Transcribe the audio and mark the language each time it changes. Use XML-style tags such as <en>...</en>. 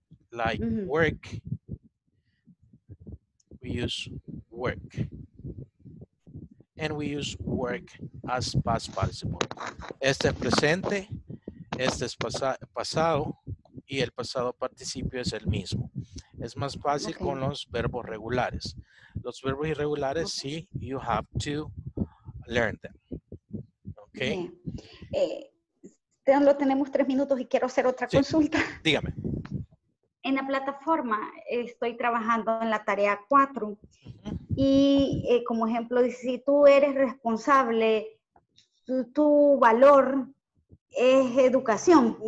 <en>Like work, we use work. and we use work as past participle.</en> <es>Este es presente, este es pasado, y el pasado participio es el mismo. Es más fácil con los verbos regulares. Los verbos irregulares, sí,</es> <en>you have to learn them.</en> <es>Okay. Solo tenemos 3 minutos y quiero hacer otra consulta. Dígame. En la plataforma estoy trabajando en la tarea 4. Uh-huh. Y como ejemplo, si tú eres responsable, tu valor es educación.</es>